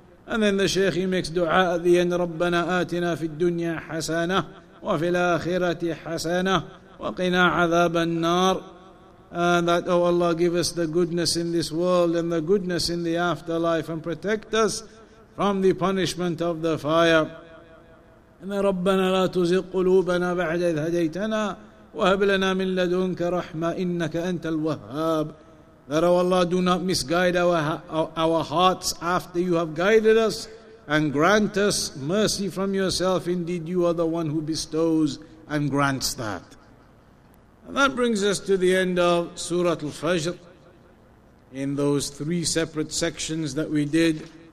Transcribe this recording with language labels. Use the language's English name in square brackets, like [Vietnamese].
[English] And then the Shaykh, he makes dua at the end, [Arabic] رَبَّنَا آتِنَا فِي الدُّنْيَا حَسَنَةً وَفِي الْآخِرَةِ حَسَنَةً وَقِنَا عَذَابَ النَّارِ. [English] And that, oh Allah, give us the goodness in this world and the goodness in the afterlife, and protect us from the punishment of the fire. [Arabic] ربنا لا تزغ قلوبنا بعد إذ هديتنا وهب لنا من لدنك رحمة إنك أنت الوهاب. [English] That, oh Allah, do not misguide our hearts after you have guided us, and grant us mercy from yourself. Indeed, you are the one who bestows and grants that. And that brings us to the end of Surah Al-Fajr in those three separate sections that we did.